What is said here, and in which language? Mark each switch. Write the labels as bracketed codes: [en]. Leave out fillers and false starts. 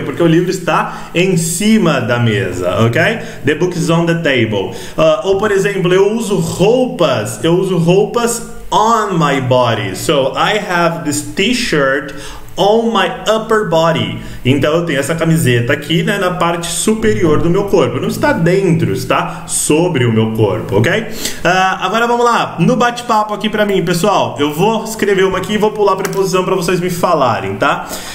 [pt] Porque o livro está em cima da mesa, ok? [en] The book is on the table. [pt] Ou por exemplo, eu uso roupas [en] on my body. So, I have this t-shirt on my upper body. [pt] Então eu tenho essa camiseta aqui, né, na parte superior do meu corpo. Não está dentro, está sobre o meu corpo, ok? Agora vamos lá, no bate-papo aqui pra mim, pessoal. Eu vou escrever uma aqui e vou pular a preposição pra vocês me falarem, tá?